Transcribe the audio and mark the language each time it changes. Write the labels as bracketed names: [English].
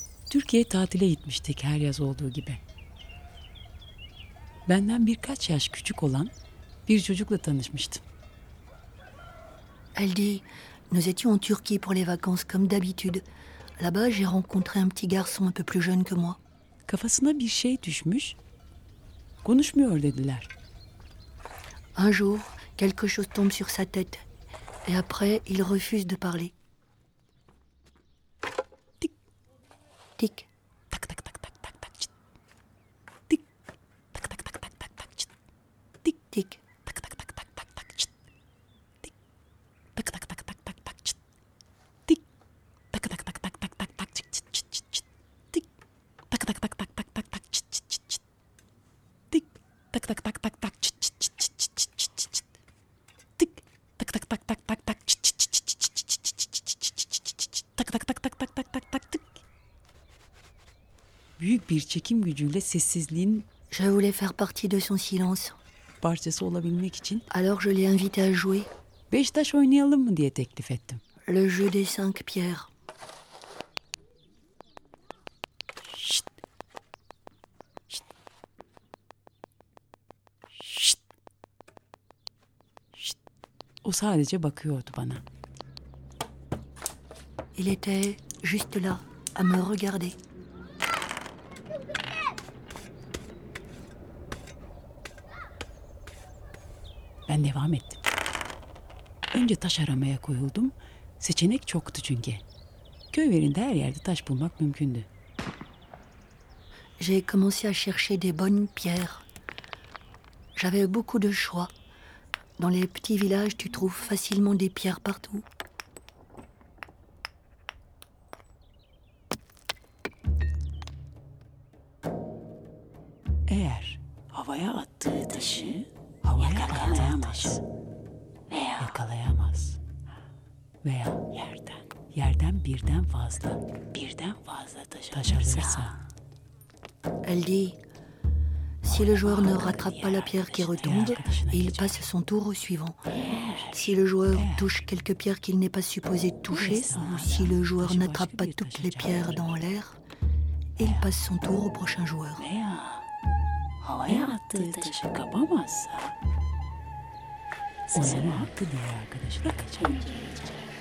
[Turkish] Türkiye tatile gitmiştik her yaz olduğu gibi. Benden birkaç yaş küçük olan bir çocukla tanışmıştım. [French] Elle dit, nous étions en Turquie pour les vacances comme d'habitude. Là-bas, j'ai rencontré un petit garçon un peu plus jeune que moi. [Turkish] Kafasına bir şey düşmüş. Konuşmuyor dediler. [French] Un jour, quelque chose tombe sur sa tête et après, il refuse de parler. Tik. Tak tak tak tak tak tak. Tik. Tak tak tak tak tak tak. Tik tik. Tak tak tak tak tak tak. Tik. Tak tak tak tak tak tak. Tik. Tak tak tak tak tak tak tak. Tik. Tak tak tak tak tak tak. Tik. Tak tak tak tak tak. Tik. Tak tak tak tak tak. Tak tak tak tak tak tak tak tak tak tak. [Turkish] Büyük bir çekim gücüyle sessizliğin [French] je voulais faire partie de son silence. [Turkish] Parçası olabilmek için [French] alors je l'ai invité à jouer. [Turkish] Beş taş oynayalım mı diye teklif ettim. [French] Le jeu des cinq pierres. Şşt. Şşt. Şşt. Şşt. [Turkish] O sadece bakıyordu bana. [French] Il était juste là à me regarder. [Turkish] Ben devam ettim. Önce taş aramaya koyuldum. Seçenek çoktu çünkü. Köylerinde her yerde taş bulmak mümkündü. [French] J'ai commencé à chercher des bonnes pierres. J'avais beaucoup de choix. Dans les petits villages, tu trouves facilement des pierres partout. [Turkish] Eğer havaya attığı taşı yakalayamaz. Veya. Yakalayamaz. Veya. Yerden. Yerden birden fazla. Birden fazla taş alırsa. [French] Elle dit, si le joueur ne rattrape pas la pierre qui retombe, il passe son tour au suivant. Si le joueur touche quelques pierres qu'il n'est pas supposé toucher, ou si le joueur n'attrape pas toutes les pierres dans l'air, il passe son tour au prochain joueur. [Turkish] Havaya attığı taşı kapamazsa onun hakkı diğer arkadaşına kaçamayacak.